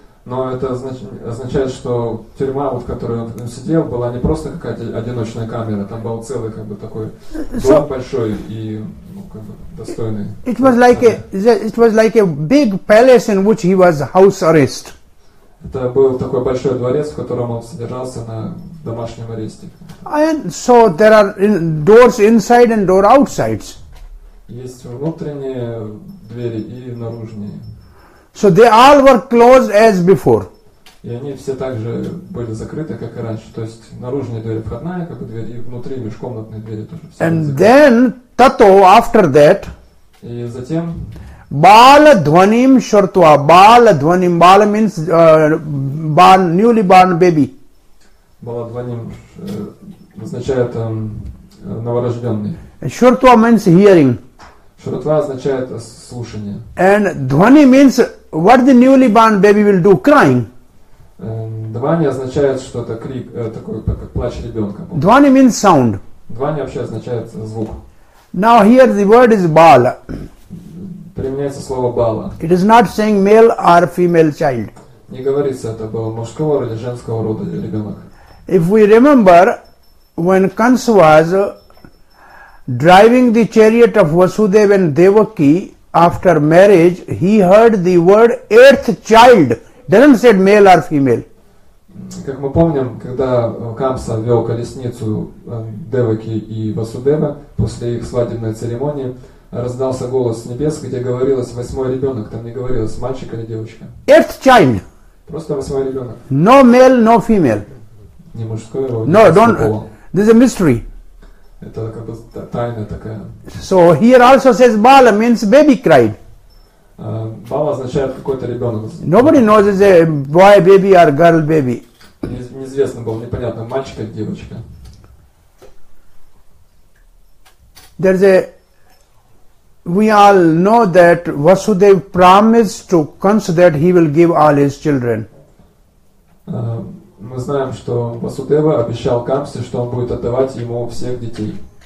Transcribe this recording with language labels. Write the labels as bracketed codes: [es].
[ru] Но это означает, что тюрьма, вот, в которой он сидел, была не просто какая-то одиночная камера, там был целый как бы такой дом большой и достойный. [en] It was like a big palace in which he was house arrest. [ru] Это был такой большой дворец, в котором он содержался на домашнем аресте. [en] And so there are doors inside and door outside. [ru] Есть внутренние двери и наружные. [en] So they all were closed as before. [ru] И они все также были закрыты, как и раньше. То есть наружные двери, входная, как бы дверь, и внутри межкомнатные двери тоже. [en] And then tato after that. [ru] И затем. [sa] Bala dhvanim shrutva. Bala dhvanim. [en] Bala means born, newly born baby. [ru] Bala dhvanim означает новорожденный. [en] Shrutva means hearing. [ru] Shrutva означает слушание. [en] And dhvani means what the newly born baby will do? Crying. [ru] Dvani означает что-то, крик, такой, как плач ребенка. [en] Dvani means sound. [ru] Dvani вообще означает звук. [en] Now here the word is bala. [ru] Применяется слово bala. [en] It is not saying male or female child. [ru] Не говорится, это было мужского или женского рода ребенок. [en] If we remember, when Kansa was driving the chariot of Vasudev and Devaki, after marriage, he heard the word earth child. Doesn't say male or female. [ru] Как мы помним, когда Камса вел колесницу Деваки и Васудева после их свадебной церемонии, раздался голос с небес, где говорилось восьмой ребенок. Там не говорилось мальчик или девочка. [en] Earth child. [ru] Просто восьмой ребенок. [en] No male, no female. [ru] Не мужской его. [en] No, don't. This is a mystery. [ru] Это как бы тайна такая. [en] So here also says bala means baby cried. [ru] Bala означает какой-то ребенок. [en] Nobody knows is a boy baby or girl baby. [ru] Неизвестно было, непонятно, мальчик или девочка. [en] there is a, we all know that Vasudev promised to Kansa that he will give all his children. [ru] Мы знаем, что Васудева обещал Камсе, что он будет отдавать ему всех детей.